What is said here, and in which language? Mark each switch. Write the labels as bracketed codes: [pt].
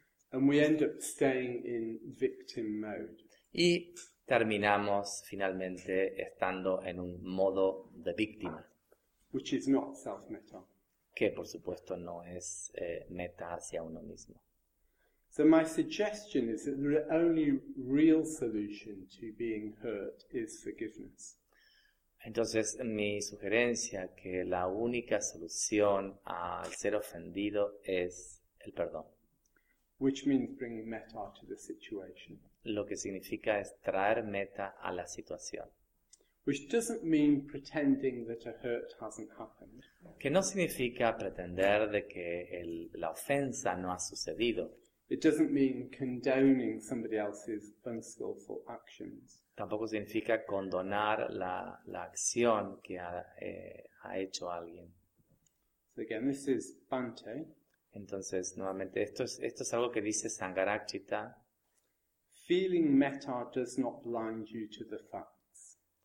[en] And we end up staying in victim mode. [es] Y terminamos finalmente estando en un modo de víctima. [en] Which is not self-meta. [es] Que por supuesto no es meta hacia uno mismo. [en] So my suggestion is that the only real solution to being hurt is forgiveness. [es] Entonces mi sugerencia que la única solución al ser ofendido es el perdón. [en] Which means bringing metta to the situation. [es] Lo que significa es traer metta a la situación. [en] Which doesn't mean pretending that a hurt hasn't happened. [es] Que no significa pretender de que la ofensa no ha sucedido. [en] It doesn't mean condoning somebody else's unskillful actions. [es] Tampoco significa condonar la acción que ha hecho alguien. [en] So again, this is Bhante. [es] Entonces, nuevamente, esto es algo que dice Sangharakshita. [en] Feeling metta does not blind you to the facts.